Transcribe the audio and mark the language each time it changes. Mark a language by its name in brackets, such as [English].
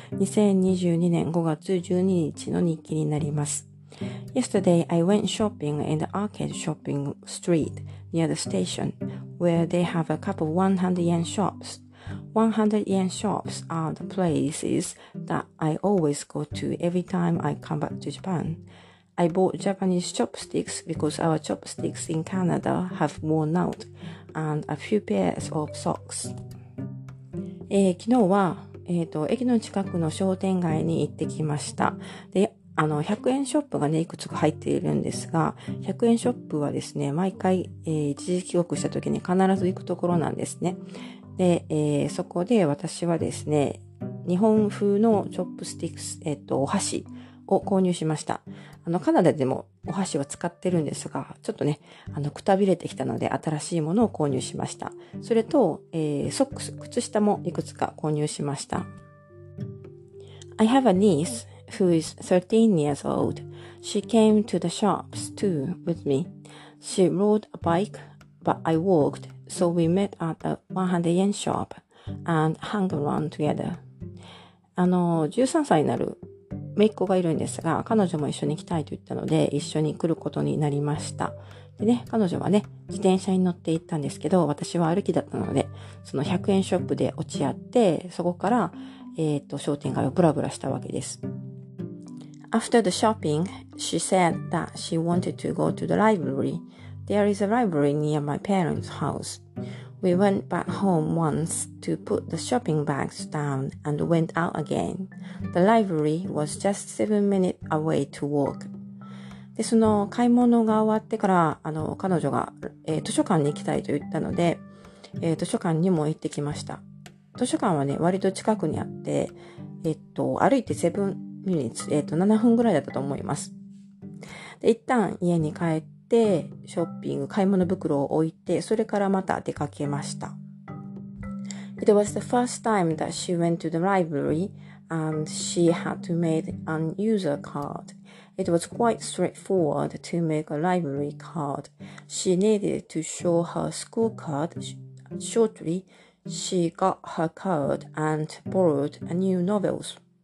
[Japanese] 2022年5月12日の日記になります。 [English] Yesterday I went shopping in the arcade shopping street near the station where they have a couple of 100 yen shops. 100 yen shops are the places that I always go to every time I come back to Japan. I bought Japanese chopsticks because our chopsticks in Canada have worn out, and a few pairs of socks.、 [Japanese] 昨日は、駅の近くの商店街に行ってきました。で、100円ショップがね、いくつか入っているんですが、100円ショップはですね、毎回、一時帰国した時に必ず行くところなんですね。で、そこで私はですね、日本風のチョップスティックス、お箸を購入しました。カナダでもお箸は使ってるんですが、ちょっとね、くたびれてきたので新しいものを購入しました。それと、ソックス、靴下もいくつか購入しました。 [English] I have a niece who is 13 years old. She came to the shops too with me. She rode a bike, but I walked. So we met at the 100 yen shop and hung around together. [Japanese] 13歳になる姪っ子がいるんですが、彼女も一緒に来たいと言ったので、一緒に来ることになりました。でね、彼女はね、自転車に乗って行ったんですけど、私は歩きだったので、その100円ショップで落ち合って、そこから、商店街をブラブラしたわけです。 [English] After the shopping, she said that she wanted to go to the library. There is a library near my parents' house. We went back home once to put the shopping bags down and went out again. The library was just 7 minutes away to walk. [Japanese] で、その買い物が終わってから、彼女が、図書館に行きたいと言ったので、図書館にも行ってきました。図書館はね、割と近くにあって、歩いて [English] 7 minutes、 [Japanese] 7分ぐらいだったと思います。で、一旦家に帰って、で、ショッピング、買い物袋を置いて、それからまた出かけました。 [English] It was the first time that she went to the library and she had to make a user card. It was quite straightforward to make a library card. She needed to show her school card. Shortly, she got her card and borrowed a new novels.